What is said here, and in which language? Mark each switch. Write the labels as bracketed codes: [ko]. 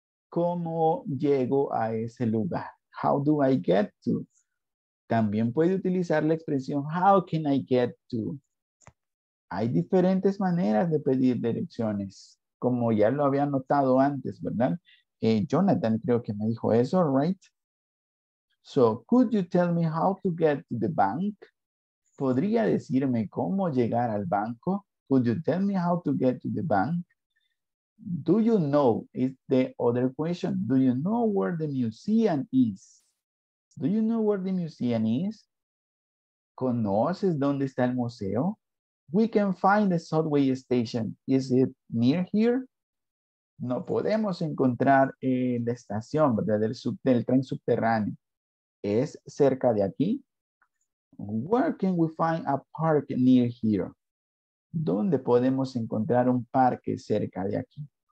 [es] ¿Cómo llego a ese lugar? [en] How do I get to? [es] También puede utilizar la expresión [en] how can I get to? [es] Hay diferentes maneras de pedir direcciones, como ya lo había notado antes, ¿verdad? Jonathan creo que me dijo eso, right? [en] So, could you tell me how to get to the bank? [es] ¿Podría decirme cómo llegar al banco? [en] Could you tell me how to get to the bank? Do you know, is the other question. Do you know where the museum is? Do you know where the museum is? [es] ¿Conoces dónde está el museo? [en] We can find the subway station. Is it near here? [es] No podemos encontrar la estación, ¿verdad? Del tren subterráneo. ¿Es cerca de aquí? [en] Where can we find a park near here? [es] ¿Dónde podemos encontrar un parque cerca de aquí?